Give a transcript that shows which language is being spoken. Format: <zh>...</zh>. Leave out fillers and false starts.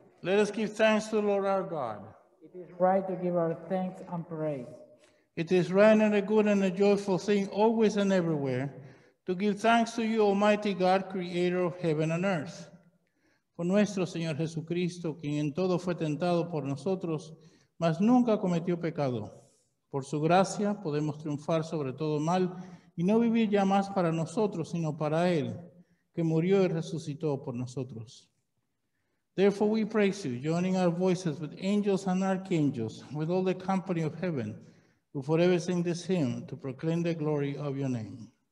<en>Let us give thanks to the Lord our God. It is right to give our thanks and praise. It is right and a good and a joyful thing always and everywhere to give thanks to you, Almighty God, Creator of heaven and earth.</en> <es>Por nuestro Señor Jesucristo, quien en todo fue tentado por nosotros, mas nunca cometió pecado. Por su gracia podemos triunfar sobre todo mal y no vivir ya más para nosotros, sino para Él, que murió y resucitó por nosotros.</es> <en>Therefore we praise you, joining our voices with angels and archangels, with all the company of heaven, who forever sing this hymn to proclaim the glory of your name.</en>